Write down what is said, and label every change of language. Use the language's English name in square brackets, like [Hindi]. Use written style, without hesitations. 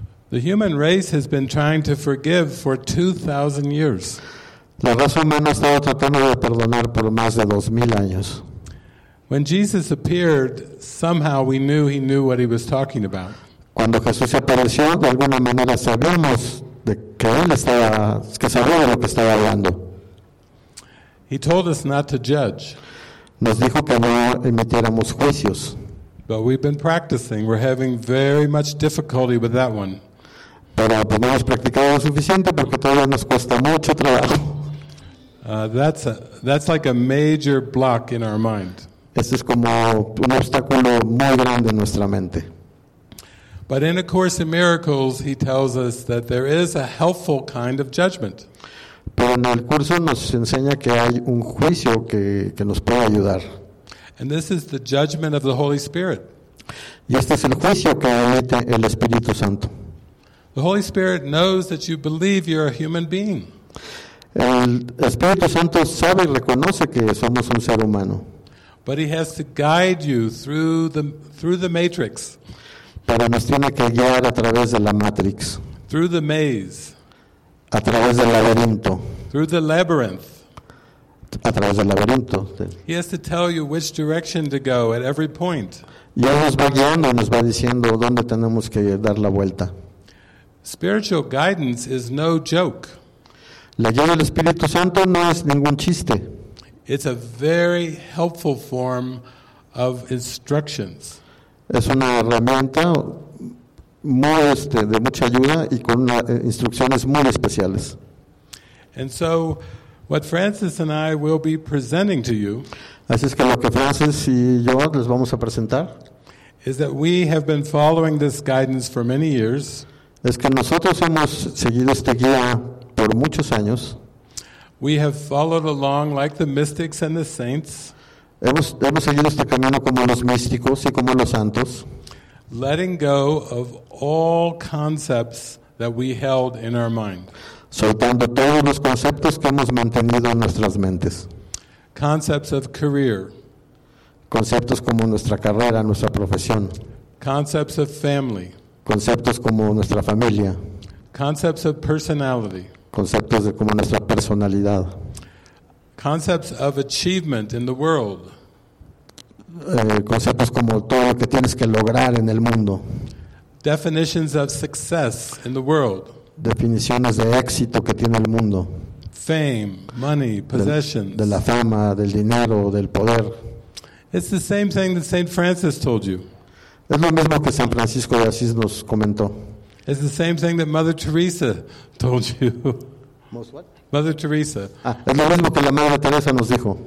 [English] The human race has been trying to forgive for 2,000 years. [Spanish] La raza humana ha estado tratando de perdonar por más de 2,000 años. [English] When Jesus appeared, somehow we knew he knew what he was talking about. [Spanish] Cuando Jesús apareció, de alguna manera sabíamos de que él estaba, que sabía de lo que estaba hablando. [English] He told us not to judge. [Spanish] Nos dijo que no emitiéramos juicios. [English] But we've been practicing. We're having very much difficulty with that one. [Spanish] Pero pues, no hemos practicado lo suficiente porque todavía nos cuesta mucho trabajo. [English] That's like a major block in our mind. [Spanish] Este es como un obstáculo muy grande en nuestra mente. [English] But in A Course in Miracles, he tells us that there is a helpful kind of judgment. [Spanish] Pero en el curso nos enseña que hay un juicio que nos puede ayudar. [English] And this is the judgment of the Holy Spirit. [Spanish] Y este es el juicio que emite el Espíritu Santo. [English] The Holy Spirit knows that you believe you're a human being. [Spanish] El Espíritu Santo sabe y reconoce que somos un ser humano. [English] But he has to guide you through the matrix. [Spanish] Pero nos tiene que guiar a través de la matrix. [English] Through the maze. [Spanish] A través del laberinto. [English] Through the labyrinth. [Spanish] A través del laberinto. [English] He has to tell you which direction to go at every point. [Spanish] Y él nos va guiando, nos va diciendo dónde tenemos que dar la vuelta. [English] Spiritual guidance is no joke. [Spanish] La guía del Espíritu Santo no es ningún chiste. [English] It's a very helpful form of instructions. [Spanish] Es una herramienta muy de mucha ayuda y con instrucciones muy especiales. [English] And so what Francis and I will be presenting to you, [Spanish] así es que lo que Francis y yo les vamos a presentar, [English] is that we have been following this guidance for many years. [Spanish] Es que nosotros hemos seguido esta guía por muchos años. [English] We have followed along like the mystics and the saints. [Spanish] Hemos seguido este camino como los místicos y como los santos. [English] Letting go of all concepts that we held in our mind. [Spanish] Soltando todos los conceptos que hemos mantenido en nuestras mentes. [English] Concepts of career. [Spanish] Conceptos como nuestra carrera, nuestra profesión. [English] Concepts of family. [Spanish] Conceptos como nuestra familia. [English] Concepts of personality. [Spanish] Conceptos de como nuestra personalidad. [English] Concepts of achievement in the world. [Spanish] Conceptos como todo lo que tienes que lograr en el mundo. [English] Definitions of success in the world. [Spanish] Definiciones de éxito que tiene el mundo. [English] Fame, money, possessions. [Spanish] De la fama, del dinero, del poder. [English] It's the same thing that Saint Francis told you. [Spanish] Es lo mismo que San Francisco de Asís nos comentó. [English] It's the same thing that Mother Teresa told you. Most what? Mother Teresa. [Spanish] Ah, es lo mismo que la Madre Teresa nos dijo.